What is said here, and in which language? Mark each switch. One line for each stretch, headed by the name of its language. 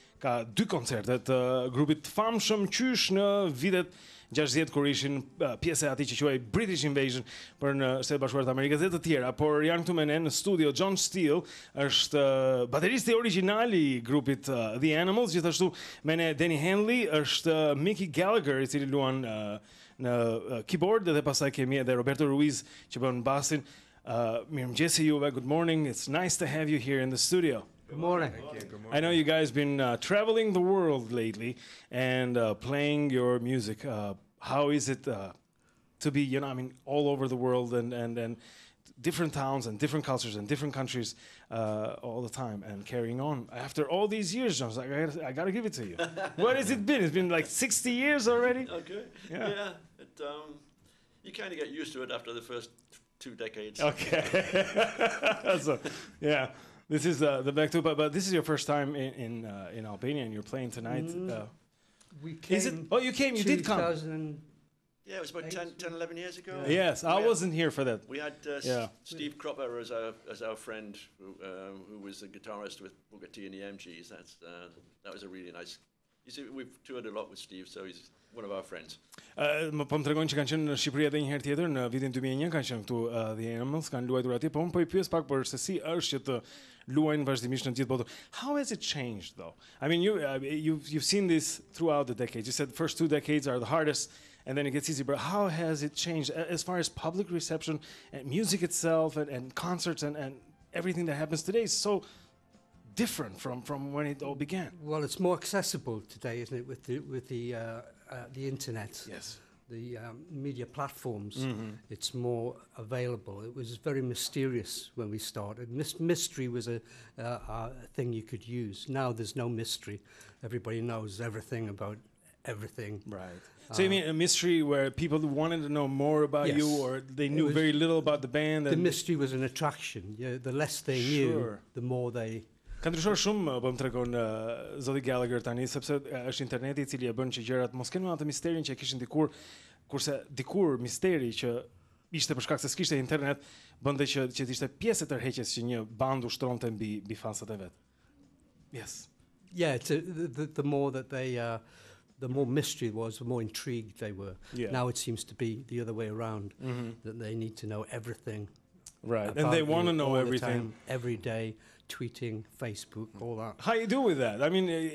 Albanian: Ka dy koncerte të grupit të famshëm qysh në vitet 60 kur ishin pjesë e atij që quhej British Invasion për në Shtetet Bashkuara të Amerikës dhe të tjera, por janë këtu me ne në studio. John Steele është bateristi origjinal i grupit The Animals, gjithashtu me ne Danny Henley, është Mickey Gallagher i cili luan në keyboard dhe pastaj kemi edhe Roberto Ruiz që bën basin. Mirëmëngjes juve,
English: good morning. It's nice to have you here in the studio. Good morning. Thank you. Good morning. I know you guys been traveling the world lately and playing your music. How is it to be, you know, I mean, all over the world and different towns and different cultures and different countries all the time and carrying on after all these years, John? I gotta give it to you. What has it been? It's been like 60 years already. Okay. Yeah. It, you kind of get used to it after the first two decades. Okay. So, yeah. This is the back to, but this is your first time in Albania, and you're playing tonight. We came. Is it? Oh, you came. You did come. Yeah, it was about 10, 11 years ago. Yeah. Yes, I wasn't here for that. We had Steve Cropper as our friend, who was the guitarist with Booker T and the MGs. That's that was a really nice. You see, we've toured a lot with Steve, so he's one of our friends.
Albanian: Më po më tregojnë që kanë qenë në Shqipëri edhe një herë tjetër në vitin 2001, kanë qenë këtu The Animals, kanë luajtur atje, por më po i pyes pak për se si është që të luajnë vazhdimisht në gjithë botën.
English: How has it changed though? I mean, you've seen this throughout the decades. You said the first two decades are the hardest and then it gets easy, but how has it changed as far as public reception and music itself and concerts and everything that happens today? So different from when it all began. Well, it's more accessible today, isn't it, with the internet? Yes. The media platforms. Mm-hmm. It's more available. It was very mysterious when we started. Mystery was a thing you could use. Now there's no mystery. Everybody knows everything about everything. Right. So you mean a mystery where people wanted to know more about you, or they knew very little about the band? The mystery was an attraction. Yeah, the less they knew, the more they.
Albanian: Ka ndryshuar shumë, po më tregon Zoti Gallagher tani, sepse është interneti i cili e bën që gjërat mos kenë atë misterin që e kishin dikur, kurse dikur misteri që ishte për shkak se s'kishte internet, bënte që të ishte pjesë e tërheqjes që një band ushtronte mbi fansat e vet.
English: Yes. Yeah, the more that they the more mystery was, the more intrigued they were. Yeah. Now it seems to be the other way around, that they need to know everything. Right, and they want to know all everything. The time, every day, tweeting, Facebook, all that. How you do with that? I mean,